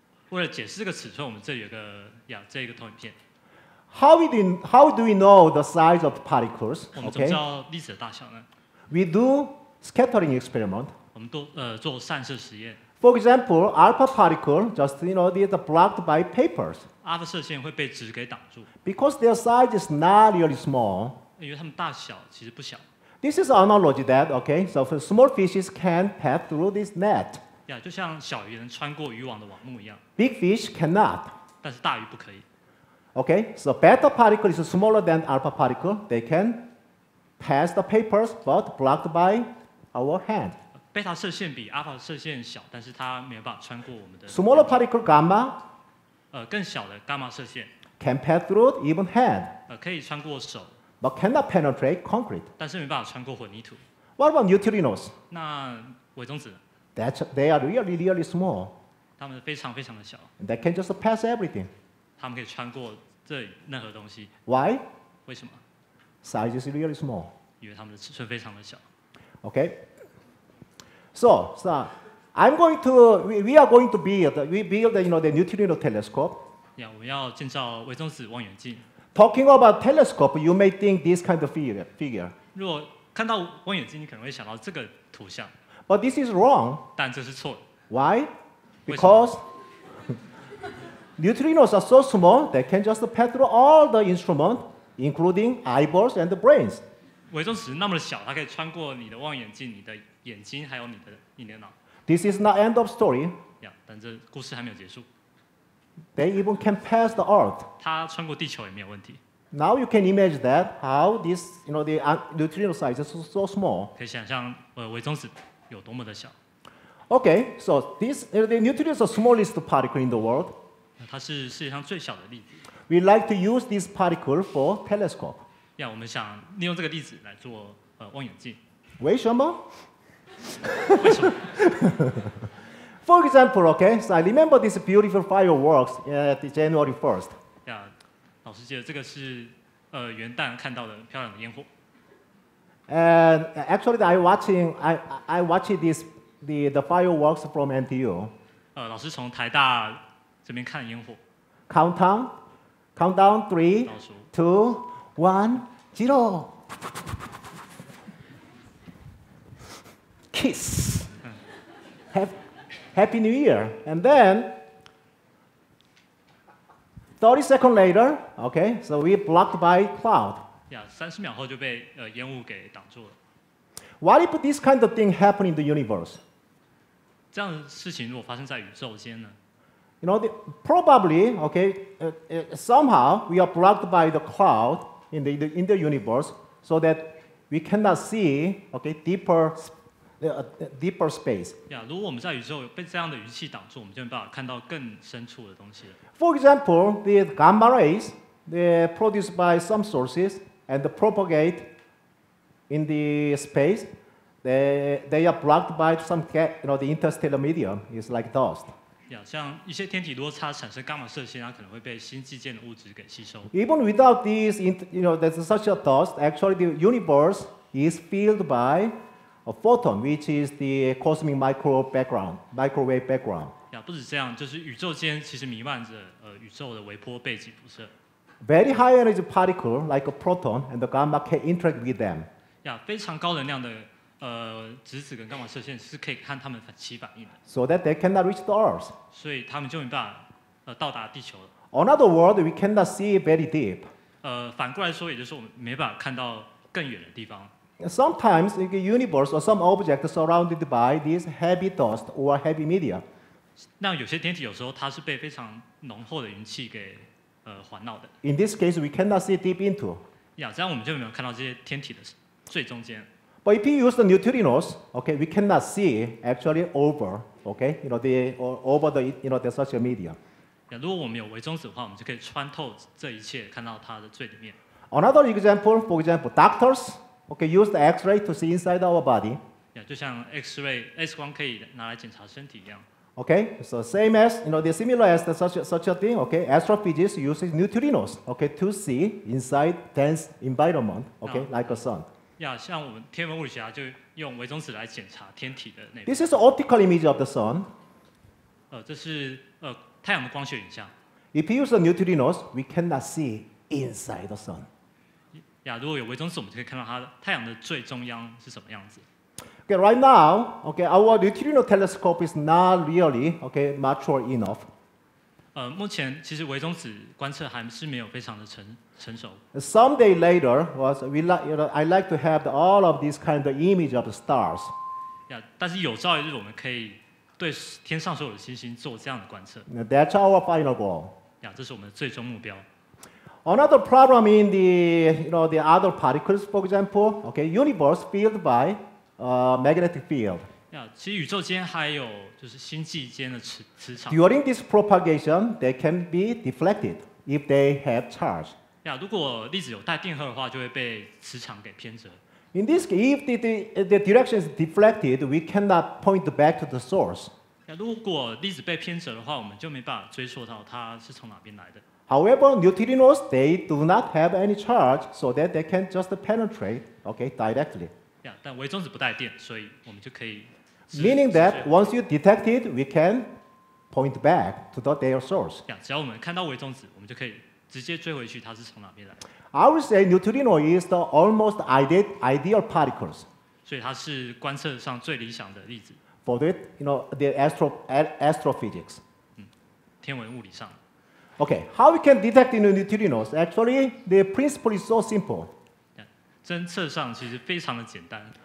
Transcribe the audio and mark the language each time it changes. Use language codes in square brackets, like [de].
[zh] 为了解释这个尺寸，我们这里有个这一个投影片。 [en] How do we know the size of particles? [zh] 我们怎么知道粒子的大小呢 [en] ？We do scattering experiment. [zh] 我们都做散射实验。 [en] For example, alpha particle just you know is blocked by papers. [zh] 阿尔法射线会被纸给挡住。 [en] Because their size is not really small. [zh] 因为它们大小其实不小。 [en] This is analogy that okay. So small fishes can pass through this net. [zh] 就像小鱼能穿过渔网的网目一样。 [en] Big fish cannot. [zh] 但是大鱼不可以。 [en] Okay, so beta particle is smaller than alpha particle. They can pass the papers, but blocked by our hand. [zh] Beta 射线比 alpha 射线小，但是它没有办法穿过我们的。 [en] Smaller particle gamma. [zh] 更小的 gamma 射线。 [en] Can pass through even hand. [zh] 可以穿过手。 [en] But cannot penetrate concrete. [zh] 但是没办法穿过混凝土。 [en] What about neutrinos? [zh] 那微中子。 [en] They are really, really small. [zh] 它们非常非常的小。 [en] They can just pass everything. [zh] 他们可以穿过这任何东西。 [en] Why？ [zh] 为什么 [en] ？Size is really small. [zh] 因为他们的尺寸非常的小。 [en] Okay. So I'm going to we are going to build we build you know the neutrino telescope. [zh] 我们要建造微中子望远镜。 [en] Talking about telescope, you may think this kind of figure. [zh] 如果看到望远镜，你可能会想到这个图像。 [en] But this is wrong. [zh] 但这是错的。 [en] Why？ Because Neutrinos are so small they can just pass through all the instruments, including eyeballs and the brains. [zh] 微中子那么小，它可以穿过你的望远镜、你的眼睛，还有你的脑。 [en] This is not end of story. [zh] 但这故事还没有结束。 [en] They even can pass the Earth. [zh] 它穿过地球也没有问题。 [en] Now you can imagine that how this, you know, the neutrino size is so small. [zh] 可以想象微中子有多么的小。 [en] Okay, so this the neutrino is the smallest particle in the world. [zh] 它是世界上最小的粒子。 [en] We like to use this particle for telescope. [zh] 我们想利用这个粒子来做望远镜。为什么？为什么 [en] For example, okay, so I remember this beautiful fireworks at January 1st. [zh] Yeah, 老师记得这个是元旦看到的漂亮的烟火。 [en] And actually, I watched the fireworks from NTU. [zh] 老师从台大这边看烟火。 [en] Countdown, 3, 2, 1, 0. Kiss. Happy New Year. And then, 30 seconds later, okay, so we blocked by cloud. [zh] Yeah, 30 秒后就被烟雾给挡住了。 [en] What if this kind of thing happened in the universe? [zh] 这样的事情如果发生在宇宙间呢？ [en] You know, probably, okay, somehow we are blocked by the cloud in the universe, so that we cannot see, okay, deeper space. [zh] Yeah, 如果我们在宇宙被这样的雨气挡住，我们就没办法看到更深处的东西了。 [en] For example, the gamma rays, they're produced by some sources and propagate in the space. They are blocked by some, you know, the interstellar medium. It's like dust. [zh] Yeah, 像一些天体落差产生伽马射线，它可能会被星际间的物质给吸收。 [en] Even without these, you know, there's such a dust. Actually, the universe is filled by a photon, which is the cosmic microwave background. [zh] Yeah, 不止这样，就是宇宙间其实弥漫着宇宙的微波背景辐射。 [en] Very high energy particle like a proton and the gamma can interact with them. [zh] Yeah, 非常高能量的质子跟伽马射线是可以和它们起反应的。 [en] So that they cannot reach the Earth. [zh] 所以它们就没办法到达地球了。 [en] On other word, we cannot see very deep. [zh] 反过来说，也就是我们没办法看到更远的地方。 [en] Sometimes the universe or some object surrounded by this heavy dust or heavy media. [zh] 那有些天体有时候它是被非常浓厚的云气给环绕的。 [en] In this case, we cannot see deep into. [zh] 这样我们就没有看到这些天体的最中间。 [en] But if you use the neutrinos, okay, we cannot see actually over, okay, you know, the over the, you know, the such a medium. [zh] Yeah, 如果我们有微中子的话，我们就可以穿透这一切，看到它的最里面。 [en] Another example, for example, doctors, okay, use the X-ray to see inside our body. [zh] Yeah, 就像 X-ray, X 光可以拿来检查身体一样。 [en] Okay, so same as, you know, the similar as the such a thing. Okay, astrophysicists use neutrinos, okay, to see inside dense environment, okay, like a sun. [zh] Yeah, 像我们天文物理学家就用微中子来检查天体的内部。 [en] This is an optical image of the sun. [zh] 这是太阳的光学影像。 [en] If you use the neutrinos, we cannot see inside the sun. [zh] Yeah, 如果有微中子，我们就可以看到它太阳的最中央是什么样子。 [en] Okay, right now, okay, our neutrino telescope is not really okay mature enough. [zh] 目前其实微中子观测还是没有非常的成熟。 [en] Someday later, was we like, you know, I like to have all of these kind of image of stars. [zh] Yeah, 但是有朝一日我们可以对天上所有的星星做这样的观测。 [en] That's our final goal. [zh] Yeah, 这是我们的最终目标。 [en] Another problem in the, you know, the other particles, for example, okay, universe filled by magnetic field. [zh] Yeah, 其实宇宙间还有就是星际间的磁场。 [en] During this propagation, they can be deflected if they have charge. [zh] Yeah, 如果粒子有带电荷的话，就会被磁场给偏折。 [en] In this case, if the direction is deflected, we cannot point back to the source. [zh] Yeah, 如果粒子被偏折的话，我们就没办法追溯到它是从哪边来的。 [en] However, neutrinos they do not have any charge, so that they can just penetrate, okay, directly. [zh] Yeah, 但微中子不带电，所以我们就可以。 [en] Meaning that once you detect it, we can point back to their source. [zh] Yeah, 只要我们看到微中子，我们就可以直接追回去，它是从哪边来。 [en] I would say neutrino is the almost ideal particles. [zh] 所以它是观测上最理想的粒子。 [en] For the, you know, the astrophysics. [zh] 天文物理上。 [en] Okay, how we can detect the neutrinos? Actually, the principle is so simple. [zh] 侦测上其实非常的简单。